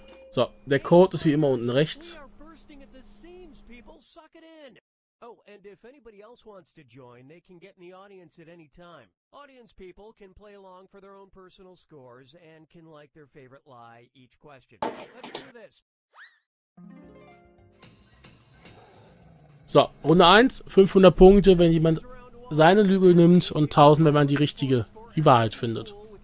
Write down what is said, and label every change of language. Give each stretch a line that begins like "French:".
German: So, der Code ist wie immer unten rechts.
English: We are bursting at the seams, people. Suck it in. Oh, and if anybody else wants to join, they can get in the audience at any time. Audience people can play along for their own personal scores and can like their favorite lie each question. Let's do this.
German: So, Runde 1, 500 Punkte, wenn jemand seine Lüge nimmt und 1000, wenn man die richtige, die Wahrheit findet.